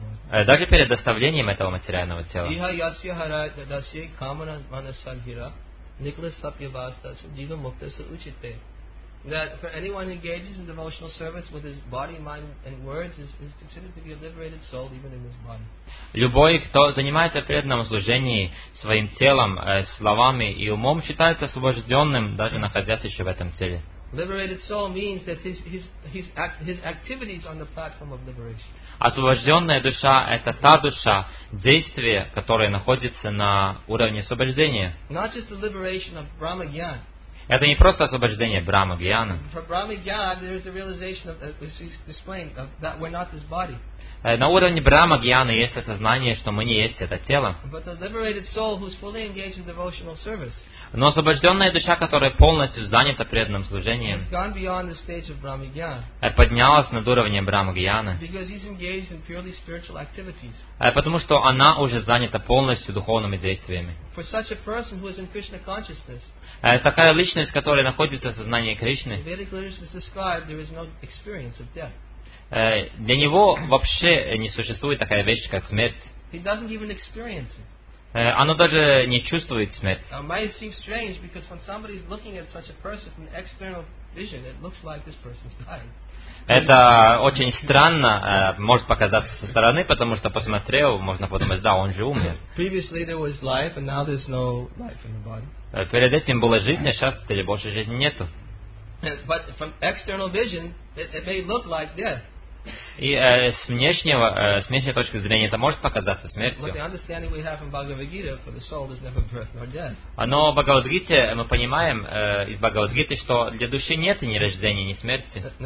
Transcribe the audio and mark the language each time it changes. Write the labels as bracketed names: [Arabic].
[Russian] Даже перед доставлением этого материального тела. [Sanskrit] Иха ясья харай дасье камана манасангира, никлас сапьявас дас, джива муктаса учите. [English] That for anyone who engages in devotional service with his body, mind, and words is considered to be a liberated soul, even in his body. [Russian] Любой, кто занимается преданным служением своим телом, словами и умом, считается освобожденным, даже находясь еще в этом теле. [English] Liberated soul means that his activities are on the platform of liberation. [Russian] Освобожденная душа – это та душа, действие, которое находится на уровне освобождения. [English] Not just the liberation of Brahma-gyan. [Russian] Это не просто освобождение Брахма-гьяна. [English] For Brahma-gyan, there is the realization of, as he explained, of that we're not this body. [Russian] На уровне Брахма-гьяна есть осознание, что мы не есть это тело. [English] But the liberated soul who's fully engaged in devotional service. [Russian] Но освобожденная душа, которая полностью занята преданным служением, [English] gone beyond the stage of Brahma-gyan. [Russian] Поднялась над уровнем Брахма-гьяна. [English] Because he's engaged in purely spiritual activities. [Russian] Потому что она уже занята полностью духовными действиями. [English] For such a person who is in Krishna consciousness. [Russian] Такая личность, которая находится в сознании Кришны. [English] In Vedic literature described, there is no experience of death. [Russian] Для него вообще не существует такая вещь, как смерть. [English] He doesn't even experience it. [Russian] Оно даже не чувствует смерть. [English] It might seem strange because when somebody is looking at such a person from external vision, it looks like this person's dying. [Russian] Это очень странно, может показаться со стороны, потому что посмотрел, можно подумать, да, он же умер. [English] Previously there was life, and now there's no life in the body. [Russian] Перед этим была жизнь, а сейчас теперь больше жизни нету. [English] But from external vision, it may look like death. [Russian] И с внешней точки зрения это может показаться смертью. Но в Бхагавад-гите мы понимаем из Бхагавад-гиты, что для души нет ни рождения, ни смерти.